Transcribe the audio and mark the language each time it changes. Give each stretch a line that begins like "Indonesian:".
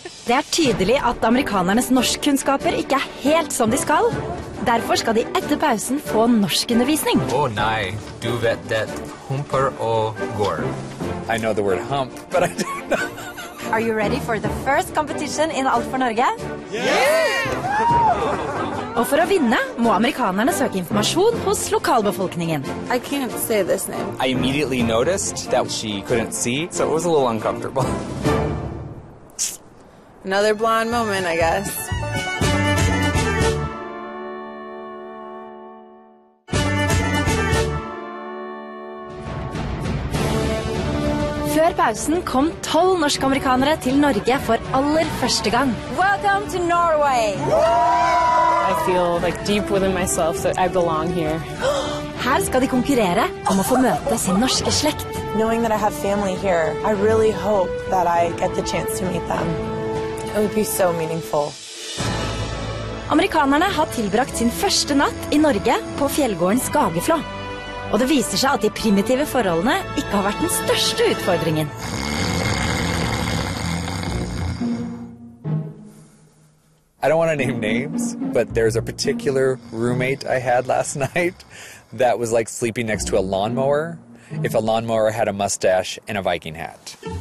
Norwegian: Det tydelig at amerikanernes norskkunnskaper ikke helt som de skal. Derfor skal de etter pausen få norskundervisning. Oh nei, du vet det. Humper og går.
English: I know the word hump, but I don't know. Are you ready for the first competition in Alt for Norge? Yeah!
Norwegian: Og for å vinne, må amerikanerne søke informasjon hos lokalbefolkningen.
English: I can't say this name. I immediately noticed that she couldn't see, so it was a little uncomfortable. Another blonde moment, I guess.
Norwegian: Før pausen kom 12 norsk-amerikanere til Norge for aller første gang.
English: Welcome to Norway! I feel like deep within myself that I belong here.
Norwegian: Her skal de konkurrere om å få møte sin norske slekt.
English: Knowing that I have family here, I really hope that I get the chance to meet them. It would be so meaningful.
Norwegian: Amerikanerne har tilbrakt sin første natt I Norge på fjellgården Skageflå. Og det viser seg at de primitive forholdene ikke har vært den største utfordringen.
English: I don't want to name names, but there's a particular roommate I had last night that was like sleeping next to a lawnmower if a lawnmower had a mustache and a Viking hat.